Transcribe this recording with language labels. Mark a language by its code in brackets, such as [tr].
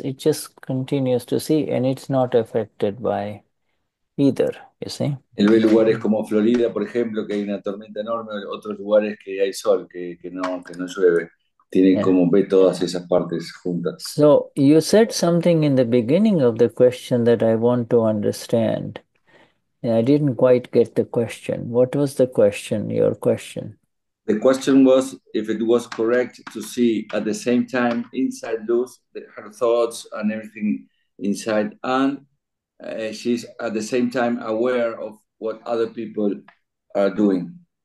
[en] It just continues to see, and it's not affected by either, you see. [es] Él ve lugares como Florida, por ejemplo, que hay una tormenta enorme, otros lugares que hay sol, que no llueve. Tiene como ve todas esas partes juntas. [en] So, you said something in the beginning of the question that I want to understand. I didn't quite get the question. What was the question, your question? The question was if it was correct to see at the same time inside Luz, her thoughts and everything inside, and she's at the same time aware of what other people are doing.